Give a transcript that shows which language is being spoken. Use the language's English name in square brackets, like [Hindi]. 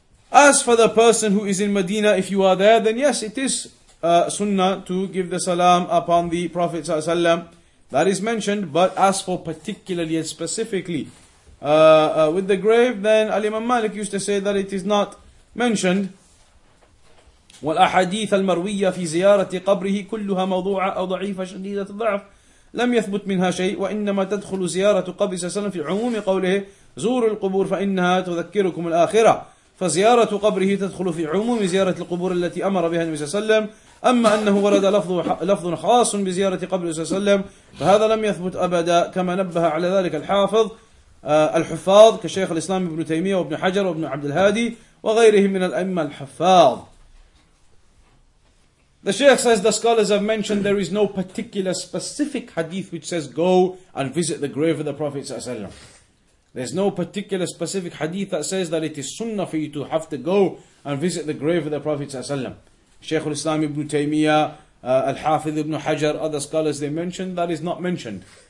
[English] As for the person who is in Medina, if you are there, then yes, it is sunnah to give the salam upon the Prophet Sallallahu Alaihi Wasallam. That is mentioned, but as for particularly and specifically with the grave, then Al-Imam Malik used to say that it is not mentioned. [Arabic] والأحاديث المروية في زيارة قبره كلها موضوعة أو ضعيفة شديدة الضعف لم يثبت منها شيء وإنما تدخل زيارة قبر سلم في عموم قوله زوروا القبور فإنها تذكركم الآخرة فزيارة قبره تدخل في عموم زيارة القبور التي أمر بها النبي صلى الله عليه وسلم أما أنه ورد لفظ خاص بزيارة قبر صلى الله عليه وسلم فهذا لم يثبت أبدا كما نبه على ذلك الحافظ الحفاظ كشيخ الإسلام ابن تيمية وابن حجر وابن عبد الهادي وغيرهم من الأئمة الحفاظ. [English] The Shaykh says the scholars have mentioned there is no particular specific hadith which says go and visit the grave of the Prophet صلى الله عليه وسلم. There's no particular specific hadith that says that it is sunnah for you to have to go and visit the grave of the Prophet صلى الله عليه وسلم. Shaykh al-Islam ibn Taymiyyah, al-Hafidh ibn Hajar, other scholars they mentioned, that is not mentioned.